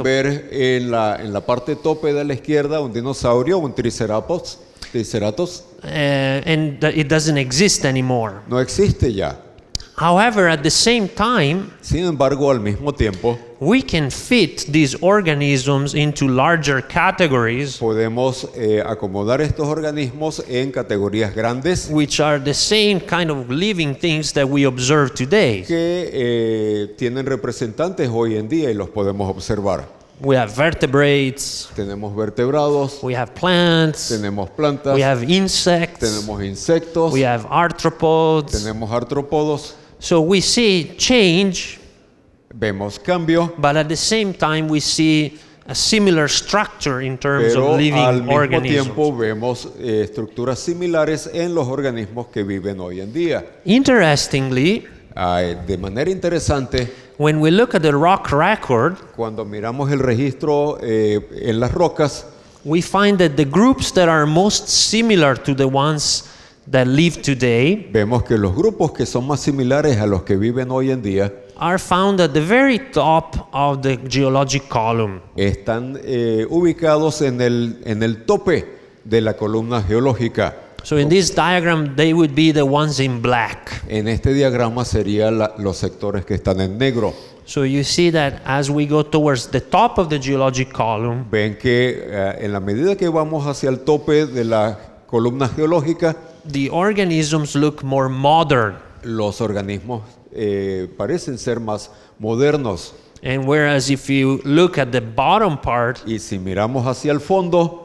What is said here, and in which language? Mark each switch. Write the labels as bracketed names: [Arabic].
[Spanish] Pueden ver en la parte tope de la izquierda un dinosaurio, un triceratops. [English] And it doesn't exist anymore. [Spanish] No existe ya. [English] However, at the same time, [Spanish] sin embargo, al mismo tiempo, [English] we can fit these organisms into larger categories. [Spanish] Podemos acomodar estos organismos en categorías grandes, [English] which are the same kind of living things that we observe today. [Spanish] Que tienen representantes hoy en día y los podemos observar. [English] We have vertebrates. [Spanish] Tenemos vertebrados. [English] We have plants. [Spanish] Tenemos plantas. [English] We have insects. [Spanish] Tenemos insectos. [English] We have arthropods. [Spanish] Tenemos artrópodos. [English] So we see change. [Spanish] Vemos cambio. [English] But at the same time we see a similar structure in terms [Spanish] Pero [English] of living [Spanish] al mismo [English] organisms. [Spanish] Tiempo vemos estructuras similares en los organismos que viven hoy en día. [English] Interestingly, [Spanish] de manera interesante, [English] when we look at the rock record, [Spanish] cuando miramos el registro en las rocas, [English] we find that the groups that are most similar to the ones that live today, [Spanish] vemos que los grupos que son más similares a los que viven hoy en día, [English] are found at the very top of the geologic column. [Spanish] Están ubicados en el tope de la columna geológica. [English] So in this diagram, they would be the ones in black. [Spanish] En este diagrama serían los sectores que están en negro. [English] So you see that as we go towards the top of the geologic column, [Spanish] ven que en la medida que vamos hacia el tope de la columna geológica, [English] the organisms look more modern. [Spanish] Los organismos parecen ser más modernos. [English] And whereas if you look at the bottom part, [Spanish] y si miramos hacia el fondo,